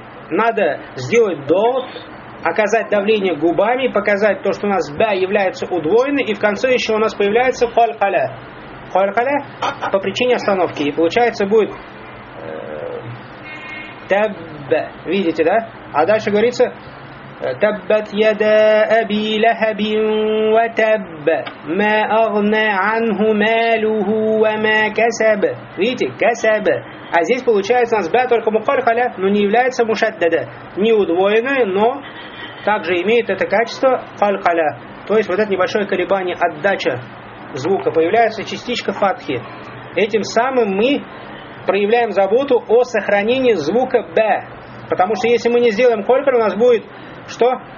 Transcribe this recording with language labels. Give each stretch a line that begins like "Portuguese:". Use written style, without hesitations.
Russian: Надо сделать долг, оказать давление губами, показать то, что у нас «б» является удвоенной, и в конце еще у нас появляется «фалькаля». «Фалькаля» по причине остановки. И получается будет «табба». Видите, да? А дальше говорится
Arabic: تبت يدا أبي لهب وتب ما أغنى عنه ماله وما كسب.
Russian: Видите, كسب. А здесь получается у нас ба только мухалькаля, но не является мушаддада, не удвоенная, но также имеет это качество халькаля. То есть вот это небольшое колебание, отдача звука, появляется частичка фатхи. Этим самым мы проявляем заботу о сохранении звука ба, потому что если мы не сделаем халькаля, у нас будет что?